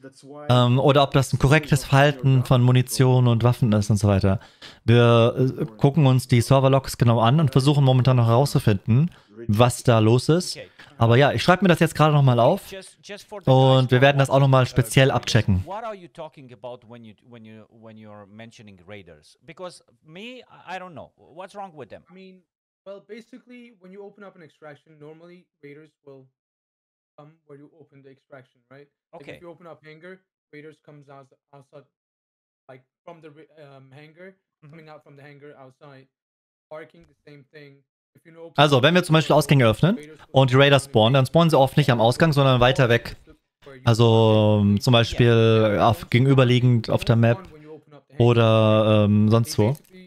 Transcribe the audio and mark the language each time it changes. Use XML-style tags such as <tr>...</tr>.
<de>Oder ob das ein korrektes Verhalten von Munition und Waffen ist und so weiter. Wir gucken uns die Serverlogs genau an und versuchen momentan noch herauszufinden, was da los ist. Aber ja, ich schreibe mir das jetzt gerade nochmal auf und wir werden das auch nochmal speziell abchecken.</de> <en>What are you talking about when you're mentioning raiders? Because me, I don't know. What's wrong with them? I mean, well, basically, when you open up an extraction, normally raiders will come where you open the extraction, right? Okay. Like if you open up hangar, raiders comes outside, like from the hangar, coming out from the hangar outside, parking the same thing.</en> <de>Also, wenn wir zum Beispiel Ausgänge öffnen und die Raider spawnen, dann spawnen sie oft nicht am Ausgang, sondern weiter weg. Also zum Beispiel auf, gegenüberliegend auf der Map oder sonst wo.</de>